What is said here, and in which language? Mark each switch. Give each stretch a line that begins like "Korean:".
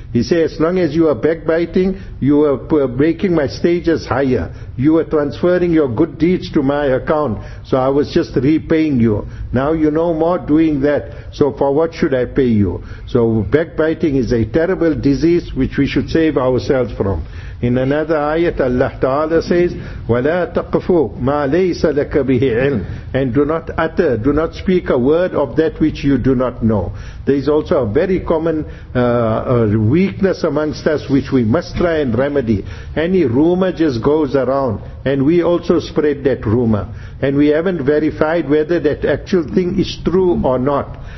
English: He said, as long as you are backbiting, you are making my status higher. You are transferring your good deeds to my account. So I was just repaying you. Now you no more doing that. So for what should I pay you? So backbiting is a terrible disease which we should save ourselves from. In another ayat, Allah Ta'ala says,
Arabic: وَلَا تَقْفُ مَا لَيْسَ لَكَ بِهِ عِلْمٍ.
English: And do not speak a word of that which you do not know. There is also a very common weakness amongst us which we must try and remedy. Any rumor just goes around, and we also spread that rumor. And we haven't verified whether that actual thing is true or not.